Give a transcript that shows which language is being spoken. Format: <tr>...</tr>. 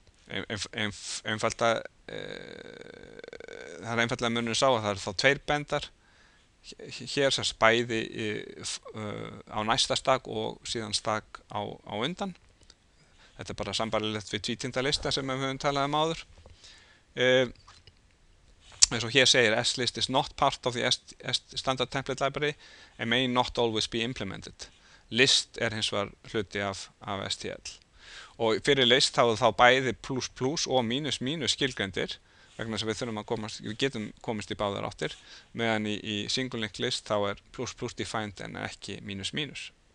<is>Það er einfalda muninn sá að það er þá tveir bendar. Hér sérst bæði á næsta stakk og síðan stakk á undan. Þetta er bara sambarilegt við tvítindalista sem við höfum talað áður. Svo hér segir</is> <en>S-list is not part of the standard template library and may not always be implemented.</en> <is>List er hins vegar hluti af STL. Og fyrir list hafðu þá bæði plus plus og mínus mínus skilgreindir. Vegna þess að við getum komist í báðar áttir, meðan í single link list þá er plus plus defined en ekki mínus mínus.</is>